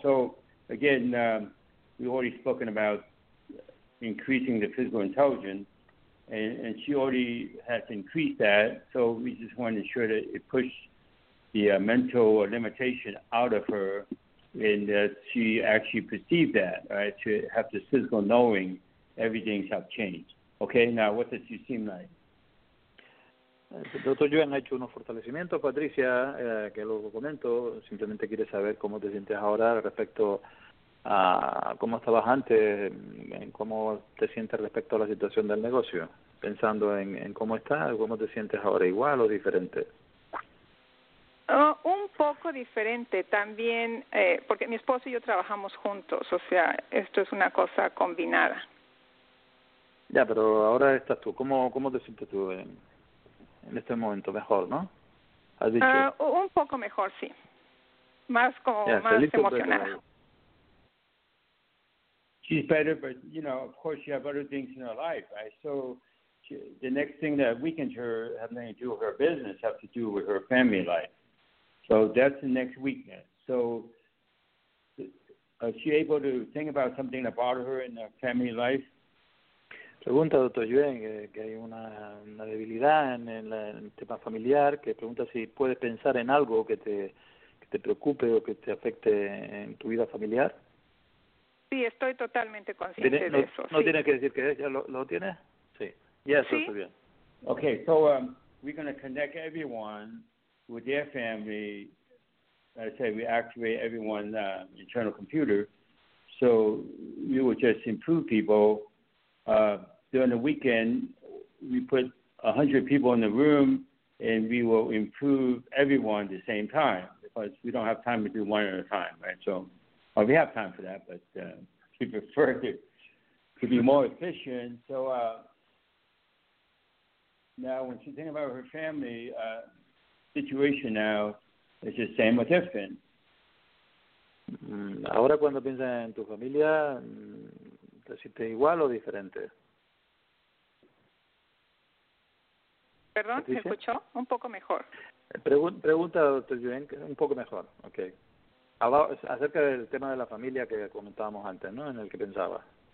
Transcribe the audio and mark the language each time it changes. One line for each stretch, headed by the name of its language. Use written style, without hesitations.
English: So, again, we've already spoken about increasing the physical intelligence, and she already has increased that. So we just want to ensure that it pushed the mental limitation out of her and that she actually perceived that, right, to have the physical knowing everything's have changed. Okay, now what does she seem like?
Spanish: Doctor Yuan ha hecho unos fortalecimientos, Patricia, que luego comento. Simplemente quiere saber cómo te sientes ahora respecto a cómo estabas antes, en cómo te sientes respecto a la situación del negocio, pensando en cómo estás, cómo te sientes ahora, igual o diferente. Un poco diferente también, porque mi esposo y yo trabajamos juntos, o sea, esto es una cosa combinada. Ya, pero ahora estás tú. ¿Cómo te sientes tú en este momento? ¿Mejor, no? ¿Has dicho? Un poco mejor, sí. Más como ya, más emocionada.
English: She's better, but, you know, of course she has other things in her life, right? So the next thing that weakens her has nothing to do with her business, has to do with her family life. So that's the next weakness. So is she able to think about something that bothered her in her family life?
Spanish: Pregunta, doctor Yuen, que hay una debilidad en el tema familiar, que pregunta si puedes pensar en algo que te preocupe o que te afecte en tu vida familiar. Sí, estoy totalmente consciente de eso. No, sí. Tienes que decir que ya lo tienes. Sí. Ya, yes, ¿sí? Está bien.
English: Okay, so we're going to connect everyone with their family. I say we activate everyone's internal computer. So we will just improve people. During the weekend, we put 100 people in the room, and we will improve everyone at the same time because we don't have time to do one at a time, right? So, well, we have time for that, but we prefer to be more efficient. So now when she's thinking about her family, situation now is the same or different.
Spanish: Ahora cuando piensas en tu familia, ¿te sientes igual o diferente? Perdón, ¿se escuchó? Un poco mejor. Pregunta, doctor Yuen, un poco mejor, okay. Acerca del tema de la familia que comentábamos antes, ¿no? En el que pensaba.